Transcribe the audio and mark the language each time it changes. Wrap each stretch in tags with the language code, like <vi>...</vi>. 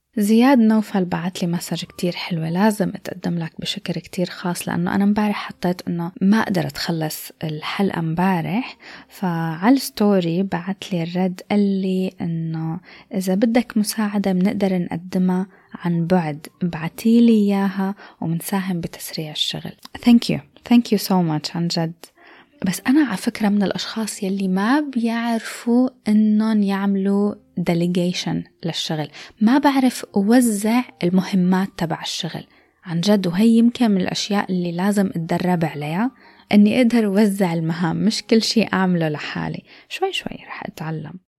<ar>زياد نوفل بعت لي مسج كتير حلوة, لازم اتقدم لك بشكر كتير خاص لأنه أنا مبارح حطيت أنه ما أقدر أتخلص الحلقة مبارح, فعلى ستوري بعت لي الرد قال لي أنه إذا بدك مساعدة بنقدر نقدمها عن بعد, بعتي لي إياها ومنساهم بتسريع الشغل.</ar> <en>Thank you so much</en> <ar>عن جد. بس أنا على فكرة من الأشخاص يلي ما بيعرفوا أنهم يعملوا delegation للشغل, ما بعرف أوزع المهمات تبع الشغل عن جد, وهي يمكن من الأشياء اللي لازم أتدرب عليها أني أقدر أوزع المهام, مش كل شيء أعمله لحالي, شوي شوي رح أتعلم.</ar>